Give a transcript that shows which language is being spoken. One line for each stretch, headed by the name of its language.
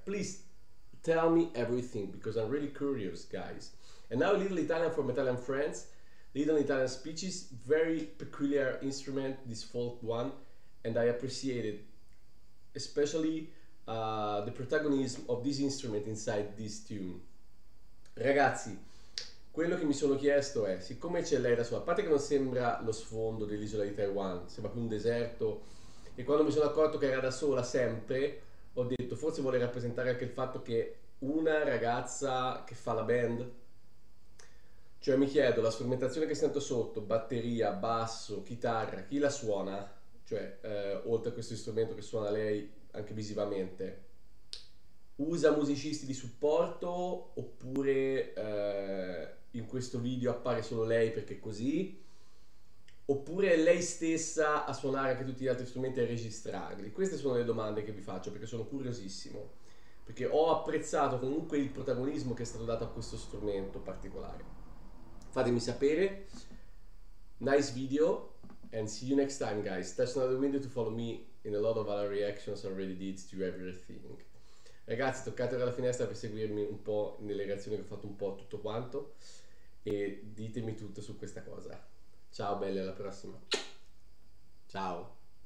English: Please tell me everything, because I'm really curious, guys. And now, Little Italian from Italian Friends. Little Italian speeches, very peculiar instrument, this folk one, and I appreciate it, especially the protagonism of this instrument inside this tune.
Italian: Ragazzi, quello che mi sono chiesto è, siccome c'è lei da sola, a parte che non sembra lo sfondo dell'isola di Taiwan, sembra più un deserto, e quando mi sono accorto che era da sola sempre, ho detto, forse vuole rappresentare anche il fatto che una ragazza che fa la band, cioè mi chiedo, la strumentazione che sento sotto, batteria, basso, chitarra, chi la suona? Cioè, oltre a questo strumento che suona lei, anche visivamente, usa musicisti di supporto, oppure in questo video appare solo lei perché così, oppure è lei stessa a suonare anche tutti gli altri strumenti e a registrarli? Queste sono le domande che vi faccio, perché sono curiosissimo, perché ho apprezzato comunque il protagonismo che è stato dato a questo strumento particolare. Fatemi sapere.
English: Nice video, and see you next time, guys. That's another window to follow me in a lot of other reactions I already did to everything.
Italian: Ragazzi, toccate la finestra per seguirmi un po' nelle reazioni che ho fatto un po' tutto quanto e ditemi tutto su questa cosa. Ciao belle, alla prossima. Ciao.